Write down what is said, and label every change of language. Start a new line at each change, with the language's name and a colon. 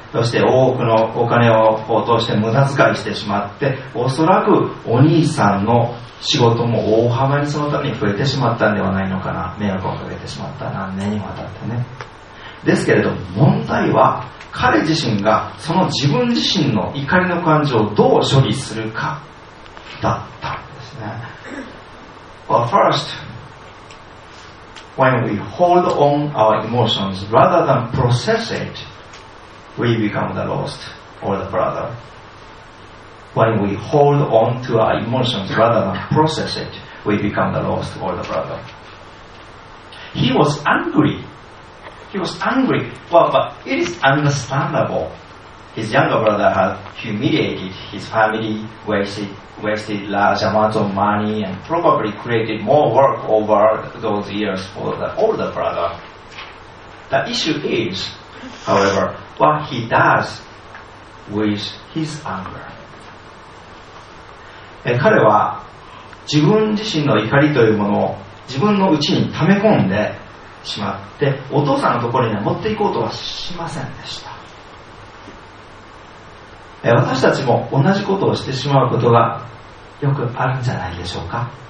Japanese: そして多くのお金を落として無駄遣いしてしまって、おそらくお兄さんの仕事も大幅にそのために増えてしまったのではないのかな、迷惑をかけてしまった、何年にわたってね。ですけれど問題は彼自身がその自分自身の怒りの感情をどう処理するかだったんですね。
English: Well, first, when we hold on our emotions rather than process it, we become the lost or the brother. When we hold on to our emotions rather than process it, we become the lost or the brother. He was angry. He was angry. Well, but it is understandable. His younger brother had humiliated his family, wasted large amounts of money, and probably created more work over those years for the older brother. The issue is, however, what he does with his anger.
Japanese: 彼は自分自身の怒りというものを自分の内に溜め込んでしまって、お父さんのところに持っていこうとはしませんでした。私たちも同じことをしてしまうことがよくあるんじゃないでしょうか。